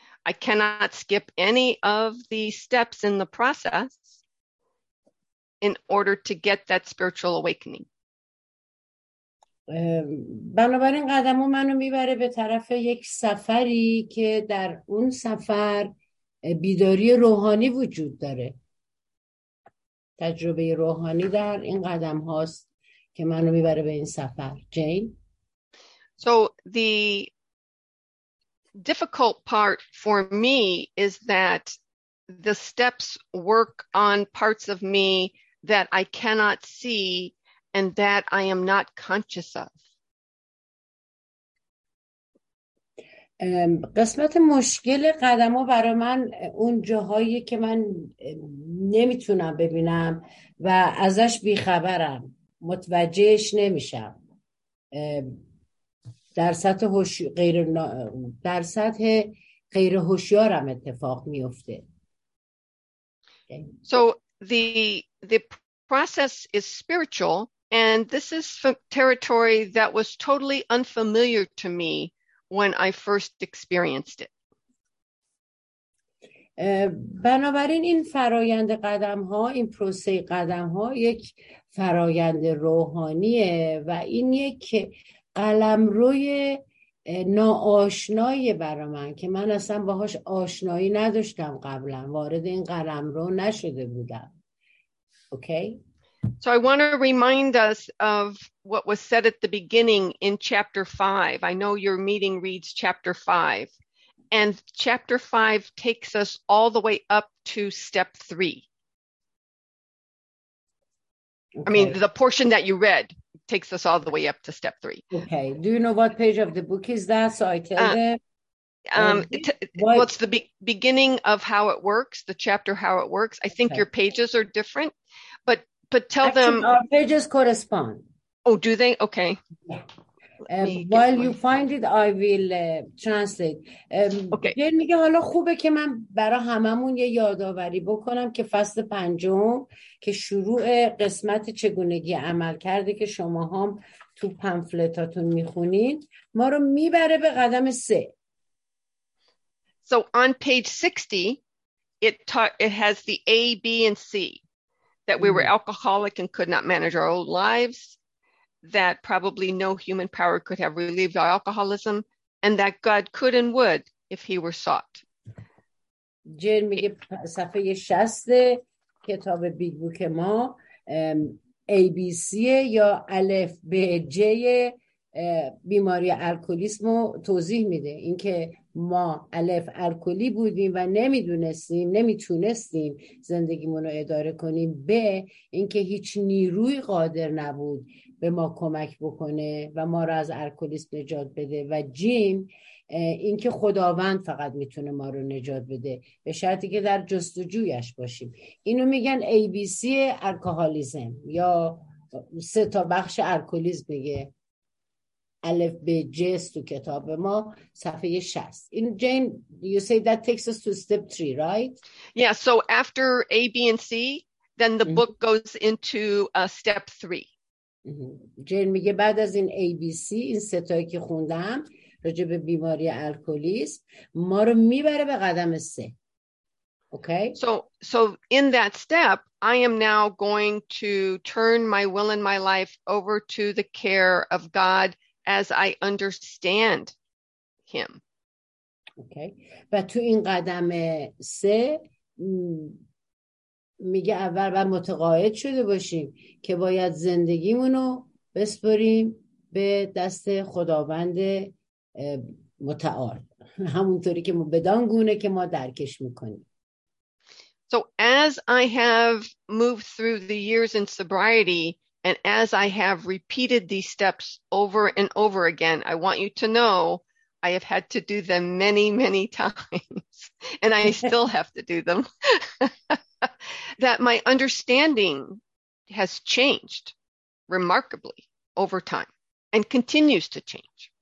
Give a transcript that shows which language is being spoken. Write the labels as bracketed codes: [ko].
[en] I cannot skip any of the steps in the process in order to get that spiritual awakening. [fa] بنابراین قدمو منو میبره به طرف یک سفری که در اون سفر بیداری روحانی وجود داره. تجربه روحانی در این قدم هاست که منو میبره به این سفر. جین؟ [en] So the difficult part for me is that the steps work on parts of me that I cannot see and that I am not conscious of. [fa] قسمت مشکل قدم ها برای من اون جاهایی که من نمیتونم ببینم و ازش بیخبرم، متوجهش نمیشم. در سطح غیر هوشیارم اتفاق میفته. [en] So the process is spiritual and this is territory that was totally unfamiliar to me when I first experienced it. [fa] بنابراین این فرایند قدم ها، این پروسه قدم ها یک فرایند روحانیه و این یک قلم روی ناآشنایی برای من که من اصلا باهاش آشنایی نداشتم قبلا، وارد این قلم رو نشده بودم. اوکی؟ [en] So I want to remind us of what was said at the beginning in chapter 5. I know your meeting reads chapter 5. And chapter 5 takes us all the way up to step 3. Okay. I mean, the portion that you read takes us all the way up to step 3. Okay. Do you know what page of the book is that? So I tell them. It's the beginning of how it works, the chapter how it works. I think your pages are different. But tell actually, them our pages correspond. Oh, do they? Okay. Yeah. While you find it, I will translate. Okay. [fa] یعنی میگه حالا خوبه که من برای هممون یه یاداوری بکنم که فصل پنجم که شروع قسمت چگونگی عمل کرده که شما هم تو پمفلتاتون میخونید ما رو میبره به قدم سه. [en] So on page 60, it has the A, B, and C. That we were alcoholic and could not manage our old lives, that probably no human power could have relieved our alcoholism, and that God could and would if he were sought. [fa] جن میگه صفحه 60 کتاب بیگ بوک ما ABC یا الف به ج بیماری الکلیسم رو توضیح میده، اینکه ما الف الکلی بودیم و نمیدونستیم نمیتونستیم زندگیمون رو اداره کنیم، به اینکه هیچ نیروی قادر نبود به ما کمک بکنه و ما رو از الکلیسم نجات بده، و جیم اینکه خداوند فقط میتونه ما رو نجات بده به شرطی که در جستجویش باشیم. اینو میگن ABC الکوهالیزم یا سه تا بخش الکلیزم میگه الف به جست تو کتاب ما صفحه 60. [en] In Jane, you say that takes us to step 3, right? Yeah, so after A, B, and C, then the book goes into step 3. [fa] Jane میگه بعد از این A, B, C, این ستایی که خوندم راجع به بیماری الکلیسم ما رو میبره به قدم 3. [en] Okay? So in that step, I am now going to turn my will and my life over to the care of God as I understand him. Okay. [fa] و تو این قدم سه میگه اول باید متقاعد شده باشیم که باید زندگیمونو بسپریم به دست خداوند متعال. همونطوری که ما بدان گونه که ما درکش میکنیم. [en] So as I have moved through the years in sobriety, and as I have repeated these steps over and over again, I want you to know I have had to do them many, many times, and I still have to do them, that my understanding has changed remarkably over time and continues to change.